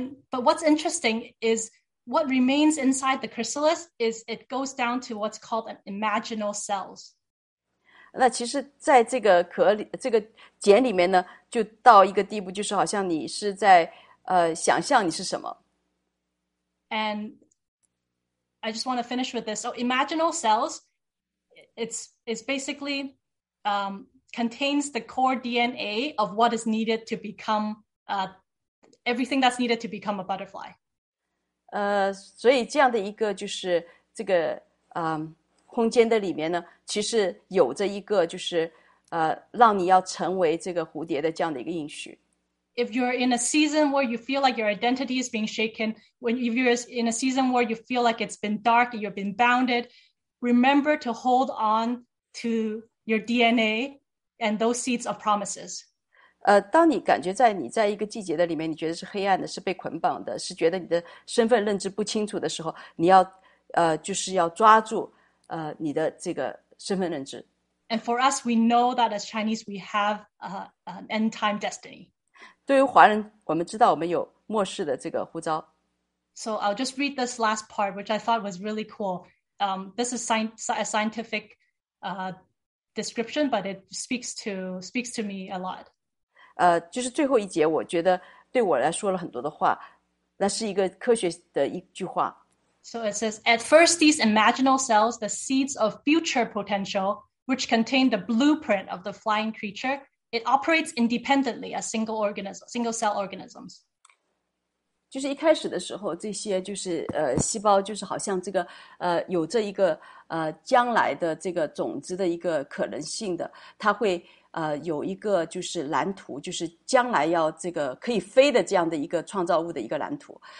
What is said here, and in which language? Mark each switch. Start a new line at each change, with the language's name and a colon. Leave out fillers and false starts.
English: But what's interesting is what remains inside the chrysalis is it goes down to what's called an imaginal cells.
Chinese: 那其实在这个壳里，这个茧里面呢，就到一个地步，就是好像你是在想象你是什么。
English: And I just want to finish with this. So imaginal cells, it's basically contains the core DNA of what is needed to become everything that's needed to become a butterfly.
Chinese: 所以这样的一个就是这个空间的里面呢，其实有着一个就是让你要成为这个蝴蝶的这样的一个应许。
English: If you're in a season where you feel like your identity is being shaken, if you're in a season where you feel like it's been dark, you've been bounded, remember to hold on to your DNA and those seeds of promises.
Chinese: 当你感觉在你在一个季节的里面，你觉得是黑暗的，是被捆绑的，是觉得你的身份认知不清楚的时候，你要就是要抓住你的这个身份认知。
English: And for us, we know that as Chinese, we have an end time destiny.
Chinese: 对于华人，我们知道我们有末世的这个呼召。
English: So I'll just read this last part, which I thought was really cool. This is a scientific description, but it speaks to me a lot.
Chinese: 就是最后一节，我觉得对我来说了很多的话，那是一个科学的一句话。
English: So it says, at first, these imaginal cells, the seeds of future potential, which contain the blueprint of the flying creature, it operates independently as single organism, single cell organisms.
Chinese: 就是一开始的时候，这些就是细胞，就是好像这个有着一个将来的这个种子的一个可能性的，它会。有一个就是蓝图，就是将来要这个可以飞的这样的一个创造物的一个蓝图。